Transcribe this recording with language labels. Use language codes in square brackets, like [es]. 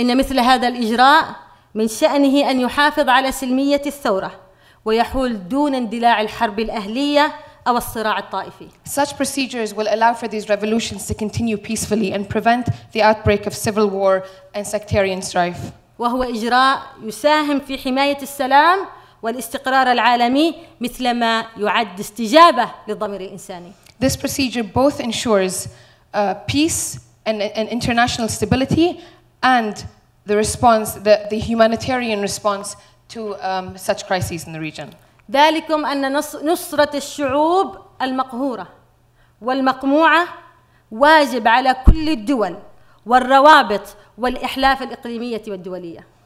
[ar] إن مثل هذا الإجراء من شأنه أن يحافظ على سلمية الثورة ويحول دون اندلاع الحرب الأهلية أو الصراع الطائفي. [en] Such procedures will allow for these revolutions to continue peacefully and prevent the outbreak of civil war and sectarian strife. [ar] وهو إجراء يساهم في حماية السلام والاستقرار العالمي مثلما يعد استجابة للضمير الإنساني. [en] This procedure both ensures peace and international stability and the humanitarian response to such crises in the region. [ar] ذلكم أن نصرة الشعوب المقهورة والمقموعة واجب على كل الدول والروابط والإحلاف الإقليمية والدولية.